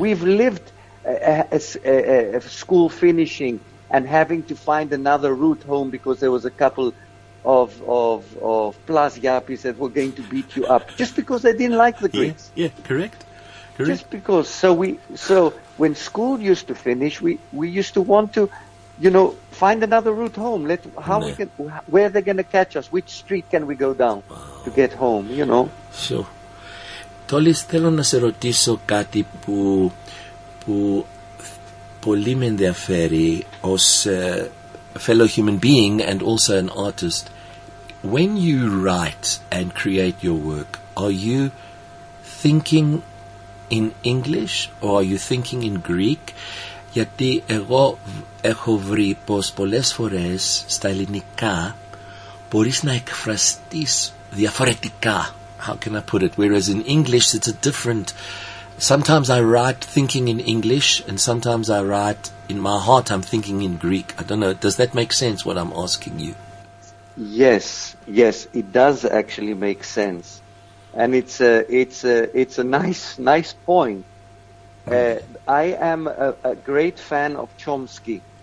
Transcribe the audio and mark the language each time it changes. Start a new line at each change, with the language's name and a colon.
English: We've lived school finishing and having to find another route home because there was a couple of plus yappies that were going to beat you up just because they didn't like the Greeks. Yeah, yeah, correct. Correct. Just because. So when school used to finish, we used to want to, find another route home. Where are they going to catch us? Which street can we go down to get home, Sure.
Greek: Tolis, θέλω να σε ρωτήσω κάτι που πολύ με ενδιαφέρει ως
English: a fellow human being and also an artist. When you write and create your work, are you thinking in English or are you thinking in Greek?
Greek: Γιατί εγώ έχω βρει πως πολλές φορές στα ελληνικά μπορείς να εκφραστείς διαφορετικά.
English: How can I put it? Whereas in English, it's a different... Sometimes I write thinking in English and sometimes I write in my heart, I'm thinking in Greek. I don't know. Does that make sense, what I'm asking you? Yes, yes, it does actually make sense. And it's a nice point. I am a great fan of Chomsky.